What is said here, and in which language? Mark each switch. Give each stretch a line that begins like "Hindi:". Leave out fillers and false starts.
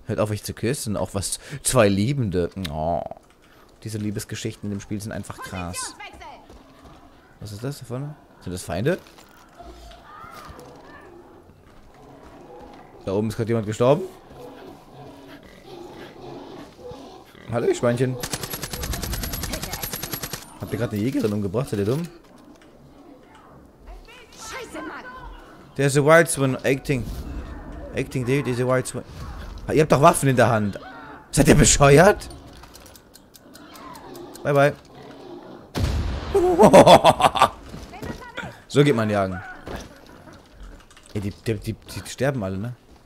German: Hört auf, euch zu küssen, auch was zwei Liebende. Oh. Diese Liebesgeschichten in dem Spiel sind einfach krass. Was ist das da vorne? Sind das Feinde? Da oben ist gerade jemand gestorben. Hallo, Schweinchen. Habt ihr gerade eine Jägerin umgebracht, seid ihr dumm?
English: There's a white swan acting, dude, there's a white swan.
German: Ihr habt doch Waffen in der Hand. Seid ihr bescheuert? Bye, bye. So geht man jagen. Ey, die sterben alle, ne?